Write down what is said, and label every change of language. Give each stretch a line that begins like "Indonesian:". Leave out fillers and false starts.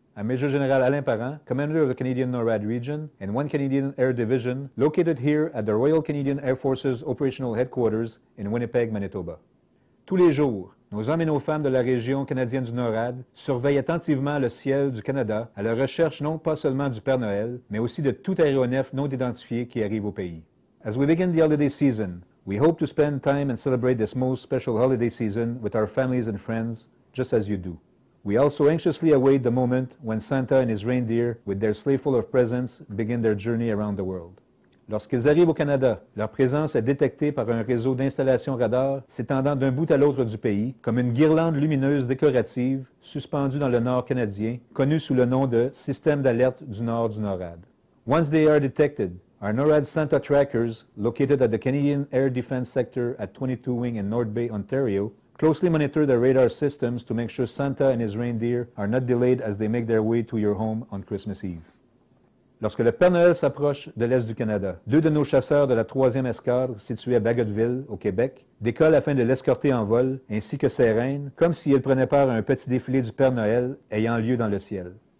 English: I'm Major General Alain Parent, Commander of the Canadian NORAD Region and 1 Canadian Air Division, located here at the Royal Canadian Air Force's Operational Headquarters in Winnipeg, Manitoba.
French: Tous les jours, nos hommes et nos femmes de la région canadienne du NORAD surveillent attentivement le ciel du Canada à la recherche non pas seulement du Père Noël, mais aussi de tout aéronef non identifié qui arrive au pays.
English: As we begin the holiday season, we hope to spend time and celebrate this most special holiday season with our families and friends, just as you do. We also anxiously await the moment when Santa and his reindeer, with their sleigh full of presents, begin their journey around the world.
French: Lorsqu'ils arrivent au Canada, leur présence est détectée par un réseau d'installations radar s'étendant d'un bout à l'autre du pays, comme une guirlande lumineuse décorative suspendue dans le nord canadien, connue sous le nom de Système d'alerte du nord du NORAD.
English: Once they are detected, our NORAD Santa trackers, located at the Canadian Air Defense Sector at 22 Wing in North Bay, Ontario, closely monitor the radar systems to make sure Santa and his reindeer are not delayed as they make their way to your home on Christmas Eve.
French: Lorsque le Père Noël s'approche de l'Est du Canada, deux de nos chasseurs de la 3e escadre, située à Bagotville, au Québec, décollent afin de l'escorter en vol, ainsi que ses reines, comme s'ils prenaient part à un petit défilé du Père Noël ayant lieu dans le ciel.